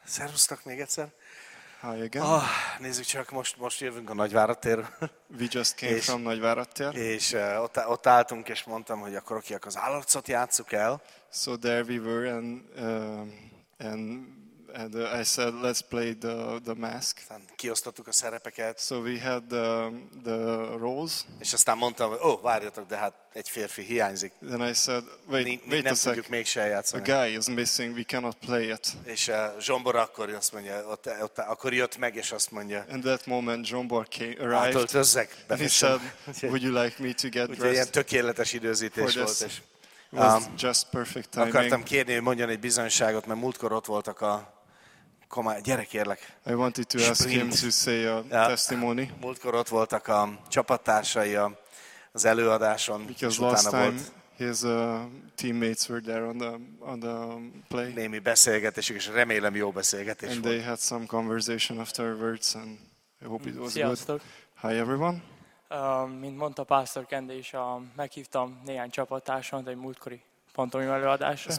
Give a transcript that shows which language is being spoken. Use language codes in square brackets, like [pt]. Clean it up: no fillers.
[hu] Szervusztok még egyszer. [en] Hi again. [hu] Oh, nézzük csak, most jövünk a Nagyváradtér. [en] We just came from Nagyváradtér. [hu] És ott álltunk, és mondtam, hogy akkor oké, akkor az állarcot játsszuk el. [en] So there we were, and I said, let's play the mask. [hu] Kiosztottuk a szerepeket. [en] So we had the roles. [hu] És aztán mondtam, hogy várjatok, de hát egy férfi hiányzik. [en] Then I said, wait [hu] nem tudjuk mégse játszani. [en] A guy is missing, we cannot play it. [hu] És Zsombor akkor azt mondja, ott akkor jött meg, és azt mondja. [en] In that moment, Zsombor came, arrived. [hu] Átöltözzek. [en] And he said, would you like me to get dressed? [hu] Ugye ilyen tökéletes időzítés volt. És [en] was just perfect timing. [hu] Akartam kérni, hogy mondjon egy bizonyságot, mert múltkor ott voltak a gyerekérlek. [en] I wanted to ask him to say a testimony. [hu] Múltkor ott voltak a csapattársai az előadáson. [en] Because last time his teammates were there on the play. [hu] Némi beszélgetésük, és remélem jó beszélgetés [en] volt. And they had some conversation afterwards, and I hope it was [hu] Sziasztok. [en] Good. Hi everyone. [hu] Mint mondta Pastor Kende is, meghívtam néhány csapattársamat egy múltkori pantomim előadásra.